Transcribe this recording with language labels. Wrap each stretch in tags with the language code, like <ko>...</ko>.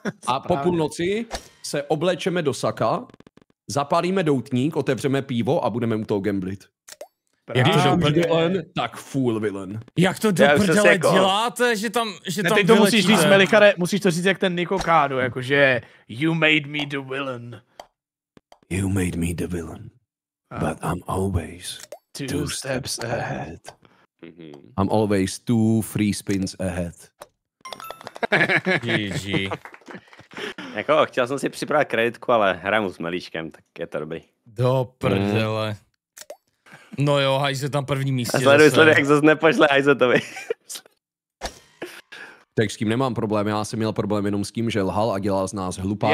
<cs>A po půlnoci se oblečeme do saka, zapálíme doutník, otevřeme pivo a budeme u toho gamblit. Když už villain, tak</cs> <en>full villain.</en> <cs>Jak to do prdele děláte, jako... že tam vylečíte? To musíš říct, Melikare, musíš to říct jak ten Niko Kádo, jakože</cs> <en>you made me the villain. You made me the villain. But I'm always two steps ahead. I'm always two free spins ahead. GG.</en> <cs>Jako, chtěl jsem si připravit kreditku, ale hrám s Melíčkem, tak je to dobrý. Do prdele. No jo, hajze tam první místě. Sleduj, jak zase nepošle hajzetovi. Tak s kým nemám problém, já jsem měl problém jenom s tím, že lhal a dělal z nás hlupáka.</cs>